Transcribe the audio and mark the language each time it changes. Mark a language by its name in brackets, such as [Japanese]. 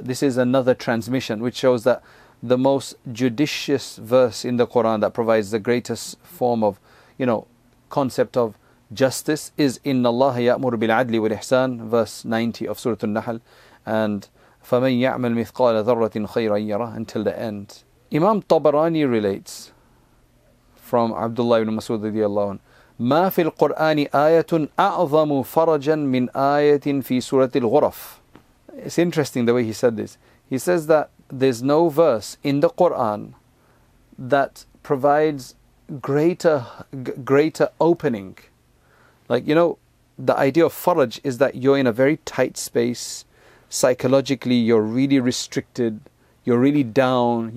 [English] This is another transmission which shows that the most judicious verse in the Quran that provides the greatest form of, you know, concept of justice is [Arabic] Inna Allah ya'mur bil adli wal ihsan, [English] verse 90 of Surah An-Nahl, and [Arabic] فَمَنْ يَعْمَلْ مِثْقَالَ ذَرَّةٍ خَيْرًا يَرَهُ, [English] until the end. Imam Tabarani relates from Abdullah ibn Mas'ud radiallahu anhu [Arabic] ما في القرآن آية أعظم فرجا من آية في سورة الغرف. [English] It's interesting the way he said this. He says that there's no verse in the Quran that provides greater opening. Like, you know, the idea of faraj is that you're in a very tight space. Psychologically, you're really restricted. You're really down.